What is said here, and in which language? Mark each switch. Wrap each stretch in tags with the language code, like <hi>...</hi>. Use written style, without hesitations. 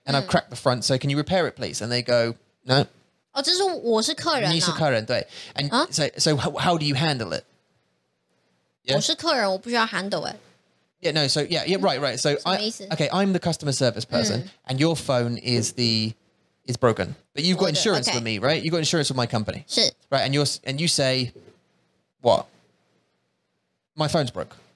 <en>And I've cracked the front, so can you repair it, please? And they go, no.</en> <zh>哦，这是我是客人，你是客人，对。</zh> <en>And so how do you handle it?</en> <zh>Yeah. 我是客人，我不需要</zh> <en>handle it。 Yeah, no, so yeah, yeah, right, right. So okay, I'm the customer service person and your phone is the is broken. But you've got insurance with me, right? You've got insurance with my company.</en> <zh>是.</zh> <en>Right, and you're and you say what? My phone's broke.</en>